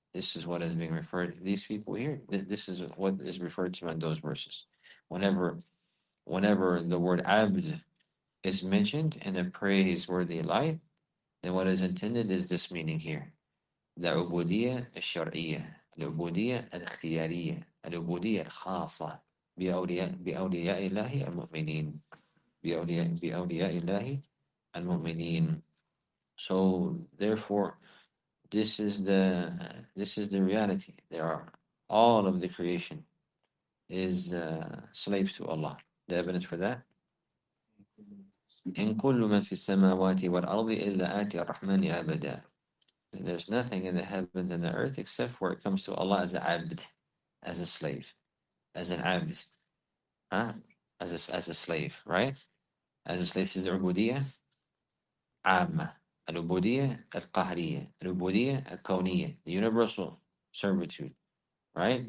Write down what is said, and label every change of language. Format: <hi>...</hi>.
<en>This is what is being referred to. These people here, this is what is referred to in those verses. Whenever the word abd is mentioned in a praiseworthy light, then what is intended is this meaning here. The ubudiyya al-shar'iyya,</en> <ar>العبودية الاختيارية، العبودية الخاصة بأولياء الله المؤمنين، بأولياء الله المؤمنين.</ar> <en>So therefore, this is the reality. There are all of the creation is slaves to Allah. The evidence for that.</en> <ar>إن كل من في السماوات والأرض إلا آتي الرحمن عبدا.</ar> <en>There's nothing in the heavens and the earth except where it comes to Allah as a abd, as a slave, as an abd, huh? As a slave, right? As a slave, this is ubudiyya amma, al ubudiyya al qahriya, al ubudiyya al kawniya, the universal servitude, right?</en>